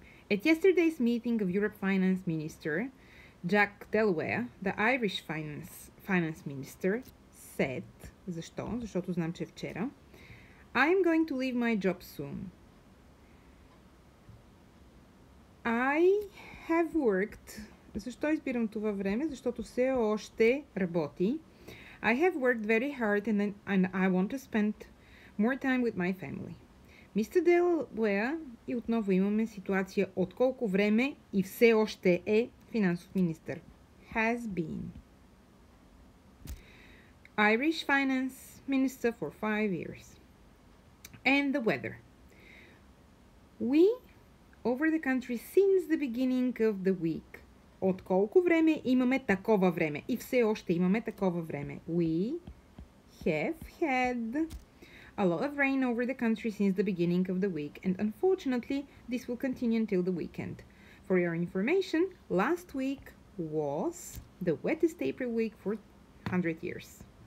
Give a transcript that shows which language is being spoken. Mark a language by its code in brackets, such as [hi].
[en] At yesterday's meeting of Europe Finance Minister, Jack Delaware, the Irish Finance Minister, said, [bg] защо? Защото знам, че вчера, [en] I am going to leave my job soon. I have worked... [bg] Защо избирам това време? Защото все още работи. [en] I have worked very hard and I want to spend more time with my family. Mr. [bg] Delaware, и отново имаме ситуация от колко време и все още е финансов министър. [en] Has been. Irish finance minister for 5 years. And the weather. We over the country since the beginning of the week. [bg] От колко време имаме такова време? И все още имаме такова време. [en] We have had a lot of rain over the country since the beginning of the week. And unfortunately, this will continue until the weekend. For your information, last week was the wettest April week for 100 years.